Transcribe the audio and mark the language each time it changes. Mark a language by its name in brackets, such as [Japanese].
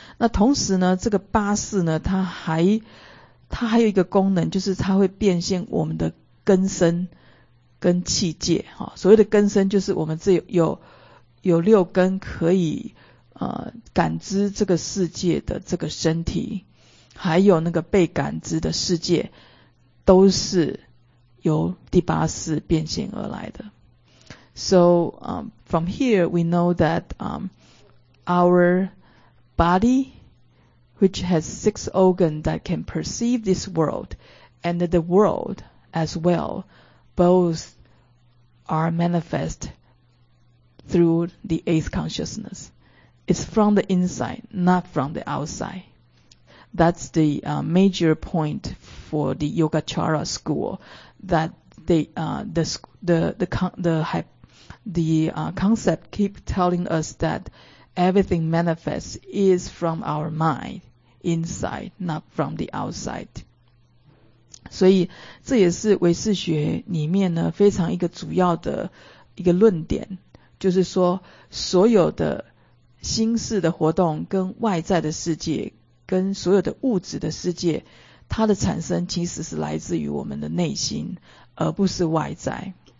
[Chinese] 那同时呢，这个八识呢，它还有一个功能，就是它会变现我们的根身跟气界，所谓的根身就是我们这有六根可以感知这个世界的这个身体，还有那个被感知的世界，都是由第八识变现而来的。 [English] So, from here we know that, our body, which has six organs that can perceive this world, and the world as well, both are manifest through the eighth consciousness. It's from the inside, not from the outside. That's the major point for the Yogacara school, that the concept keep telling us that everything manifests is from our mind inside, not from the outside. [Chinese] 所以这也是唯识学里面呢非常一个主要的一个论点，就是说所有的心识的活动跟外在的世界跟所有的物质的世界，它的产生其实是来自于我们的内心而不是外在。